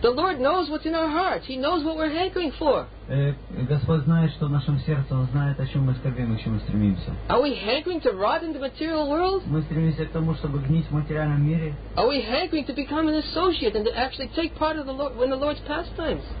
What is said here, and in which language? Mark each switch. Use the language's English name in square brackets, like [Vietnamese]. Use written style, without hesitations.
[English] The Lord knows what's in our heart. He knows what we're hankering for. [Russian] Господь знает, что в нашем сердце, Он знает, о чем мы скорбим, о чем мы стремимся. [English] Are we hankering to rot in the material world? [Russian] Мы стремимся к тому, чтобы гнить в материальном мире. [English] Are we hankering to become an associate and to actually take part of the Lord in the Lord's pastimes?